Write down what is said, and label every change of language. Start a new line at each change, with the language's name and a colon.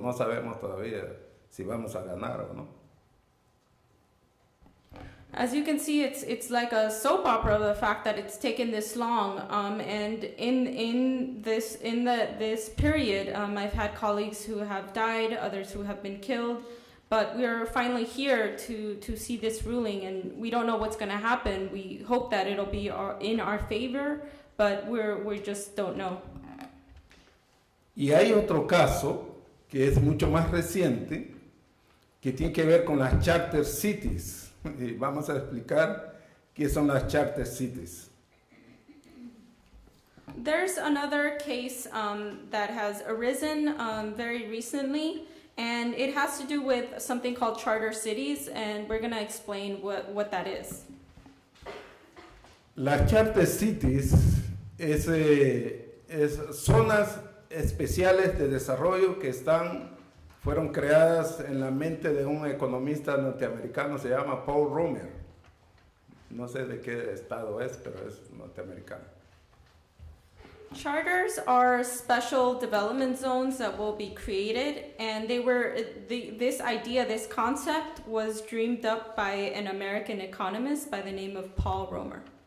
Spanish: No sabemos todavía si vamos a ganar o no.
English: As you can see, it's like a soap opera, the fact that it's taken this long. And in this period, I've had colleagues who have died, others who have been killed. But we are finally here to see this ruling, and we don't know what's going to happen. We hope that it'll be in our favor, but we just don't know.
Spanish: Y hay otro caso que es mucho más reciente, que tiene que ver con las charter cities. Y vamos a explicar qué son las charter cities.
English: There's another case that has arisen very recently, and it has to do with something called charter cities, and we're going to explain what that is.
Spanish: Las charter cities es zonas especiales de desarrollo que están fueron creadas en la mente de un economista norteamericano, se llama Paul Romer. No sé de qué estado es, pero es norteamericano.
English: Charters are special development zones that will be created, and they were this concept was dreamed up by an American economist by the name of Paul Romer.